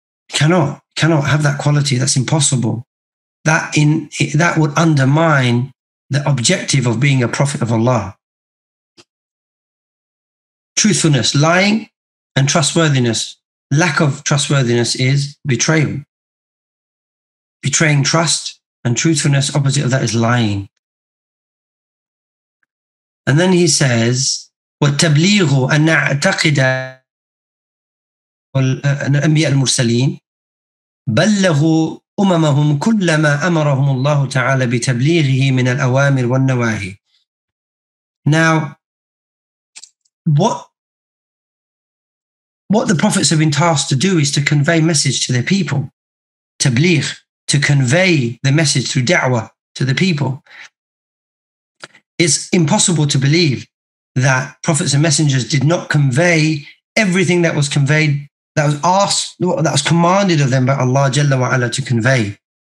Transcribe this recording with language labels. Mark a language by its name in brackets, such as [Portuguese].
[English] Cannot have that quality. That's impossible. That would undermine the objective of being a prophet of Allah. Truthfulness, lying, and trustworthiness. Lack of trustworthiness is betrayal. Betraying trust and truthfulness, opposite of that is lying. And then he says, [Arabic] وَالتَّبْلِيغُ أَنَّ أَعْتَقِدَ الْأَنْبِيَاءَ الْمُرْسَلِينَ بَلَّغُوا أُمَمَهُمْ كُلَّمَا أَمَرَهُمُ اللَّهُ تَعَالَى بِتَبْلِيغِهِ مِنَ الْأَوَامِرِ وَالنَّوَاهِي. [English] Now, what the prophets have been tasked to do is to convey message to their people. Tabligh, to convey the message through da'wah to the people. It's impossible to believe that prophets and messengers did not convey everything that was conveyed, that was asked, that was commanded of them by Allah Jalla wa Ala to convey.